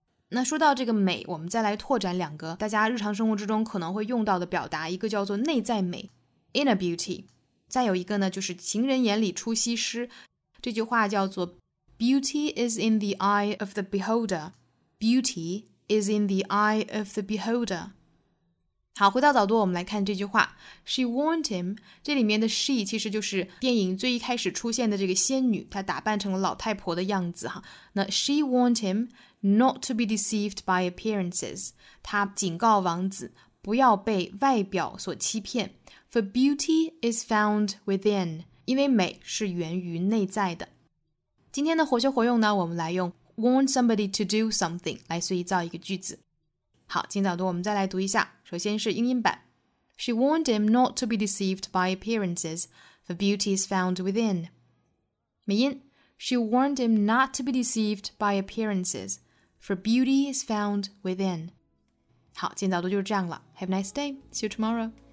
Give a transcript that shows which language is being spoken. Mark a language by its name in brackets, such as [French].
[Chinese] 那说到这个美，我们再来拓展两个大家日常生活之中可能会用到的表达，一个叫做内在美 [English] inner beauty, [Chinese] 再有一个呢就是情人眼里出西施，这句话叫做 [English] beauty is in the eye of the beholder, [Chinese] beauty is in the eye of the beholder。好，回到早读，我们来看这句话 [English] She warned him, [Chinese] 这里面的 she 其实就是电影最一开始出现的这个仙女，她打扮成了老太婆的样子哈。 [English] 那 she warned himNot to be deceived by appearances. [Chinese] 他警告王子不要被外表所欺骗。 [English] For beauty is found within. [Chinese] 因为美是源于内在的。今天的活学活用呢，我们来用 [English] warn somebody to do something [Chinese] 来随意造一个句子。好，今早读我们再来读一下。首先是英音版。 [English] She warned him not to be deceived by appearances. For beauty is found within. [Chinese] 美音。 [English] She warned him not to be deceived by appearances, for beauty is found within. [Chinese] 好，今天早读就是这样了。 [English] Have a nice day. See you tomorrow.